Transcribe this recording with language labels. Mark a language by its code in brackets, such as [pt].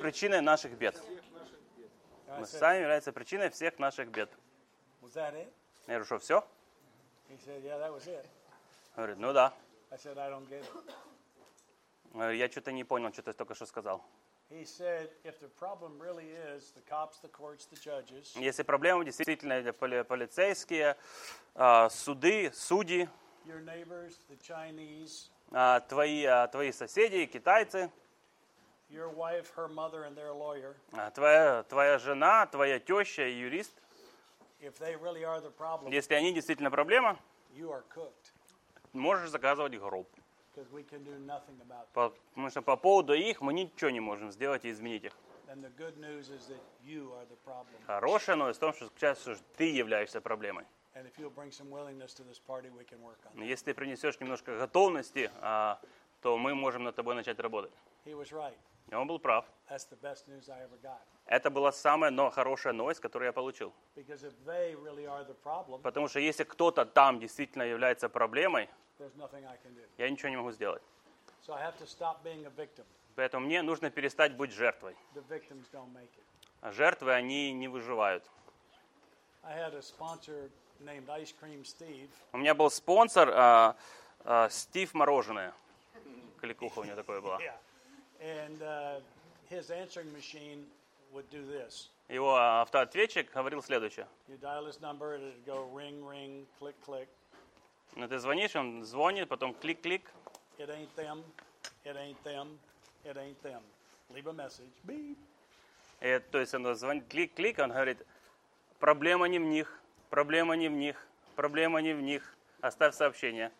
[ru] Мы сами являемся причиной всех наших бед. [en] Was that it? [ru] Я говорю, что все? [en] He said, "Yeah, that was it." [ru] Говорит, ну да. [en] I said, "I don't get it." [ru] Я что-то не понял, что ты только что сказал. [en] He said, if the problem really is the cops, the courts, the judges. [ru] Если проблема действительно полицейские, суды, судьи. [en] Your neighbors, the Chinese. [ru] Твои соседи, китайцы. [en] Your wife, her mother, and their lawyer. [ru] Твоя жена, твоя теща и юрист. [en] If they really are the problem. [ru] Если они действительно проблема. [en] You are cooked. [ru] Можешь заказывать гроб. [en] Because we can do nothing about them. [ru] Потому что по поводу их мы ничего не можем сделать и изменить их. [en] And the good news is that you are the problem. [ru] Хорошая новость в том, что сейчас уже ты являешься проблемой. [en] And if you'll bring some willingness to this party, we can work on that. [ru] Если ты принесешь немножко готовности, то мы можем над тобой начать работать. [en] He was right. [ru] И он был прав. [en] That's the best news I ever got. [ru] Это была самая хорошая новость, которую я получил. [en] Because if they really are the problem, [ru] потому что если кто-то там действительно является проблемой, [en] there's nothing I can do. [ru] Я ничего не могу сделать. [en] So I have to stop being a victim. [ru] Поэтому мне нужно перестать быть жертвой. [en] The victims don't make it. [ru] А жертвы, они не выживают. [en] I had a sponsor named Ice Cream Steve. [ru] У меня был спонсор Стив Мороженое. Кликуха у него такое была. [en] And his answering machine would do this. [ru] Его автоответчик говорил следующее. [en] You dial his number, it would go ring, ring, click, click. [ru] Ну, ты звонишь, он звонит, потом клик-клик. [en] It ain't them, it ain't them, it ain't them. Leave a message, beep. [ru] То есть он звонит, клик-клик, он говорит, проблема не в них, проблема не в них, проблема не в них, оставь сообщение.